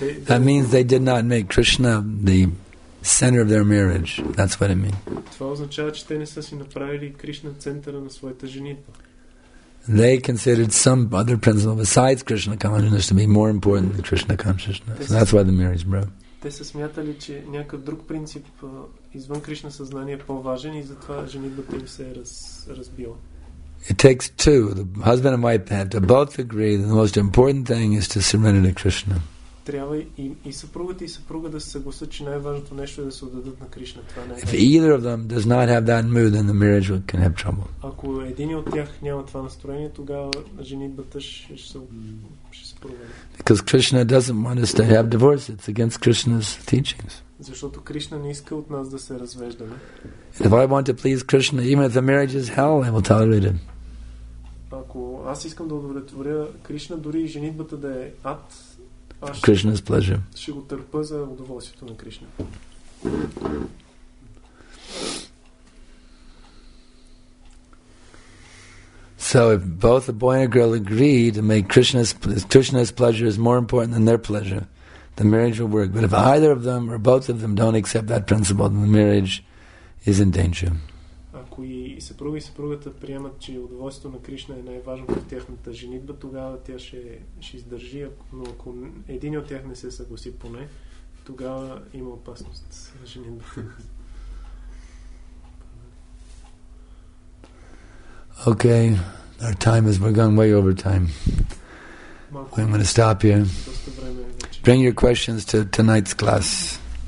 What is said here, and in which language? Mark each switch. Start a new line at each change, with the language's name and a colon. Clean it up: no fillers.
English: that means they did not make Krishna the center of their marriage. That's what it means.
Bulgarian: Това означава, че те не са си направили Кришна центъра на своята женитба.
English: They considered some other principle besides Krishna consciousness to be more important than Krishna consciousness. So that's why the marriage broke.
Bulgarian: Те са смятали, че някакъв друг принцип извън Кришна съзнание е по-важен и затова женитбата им се е разбила.
English: It takes two. The husband and wife have to both agree that the most important thing is to surrender to Krishna.
Bulgarian: Трябва и съпругата и съпруга да се съгласат, че най-важното нещо е да се отдадат на Кришна. Това не е.
English: If either of them does not have that mood, then the marriage can have trouble.
Bulgarian: Ако един от тях няма това настроение, тогава женитбата ще се провали.
English: Because Krishna doesn't want us to have divorce. It's against Krishna's teachings.
Bulgarian: Защото Кришна не иска от нас да се развеждаме.
English: If I want to please Krishna, even if the marriage is hell, I will tolerate it.
Bulgarian: Ако аз искам да удовлетворя Кришна, дори и женитбата да е ад,
English: Krishna's pleasure.
Bulgarian: Ще го търпа за удоволствието на Кришна.
English: So if both the boy and the girl agree to make Krishna's pleasure is more important than their pleasure, the marriage will work. But if either of them or both of them don't accept that principle, then the marriage is in danger.
Bulgarian: Ако и съпруга и съпругата приемат, че удоволствието на Кришна е най-важното в тяхната женитба, тогава тя ще издържи, но ако един от тях не се съгласи поне, тогава има опасност за женитбата.
English: Okay, our time has gone way over time. Малко. I'm going to stop here. Bring your questions to tonight's class.